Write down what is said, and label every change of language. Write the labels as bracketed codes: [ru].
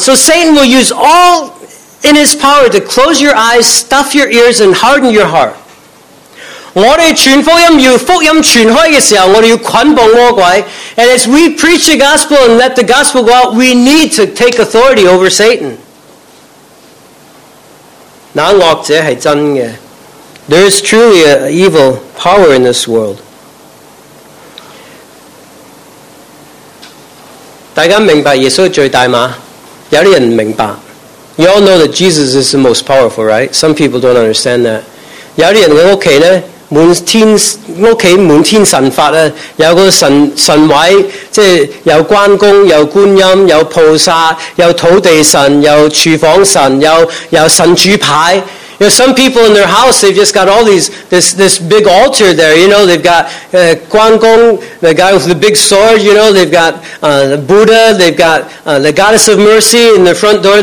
[en] So Satan will use all in his power to close your eyes, stuff your ears, and harden your heart. [yue] 我们传福音，要福音传开的时候，我们要捆绑魔鬼。 [en] And as we preach the gospel and let the gospel go out, we need to take authority over Satan. [yue] 那恶者是真的。 [en] There is truly an evil power in this world. [yue] 大家明白耶稣最大吗？有些人明白。 [en] You all know that Jesus is the most powerful, right? Some people don't understand that. [yue] 有些人的家呢， 满天神法，有个神位，即是有关公，有观音，有菩萨，有土地神，有厨房神，有神主牌。 [en] Some people in their house, they've just got all these this big altar there. You know, they've got Guangong, the guy with the big sword. You know, they've got Buddha. They've got the goddess of mercy in the front door.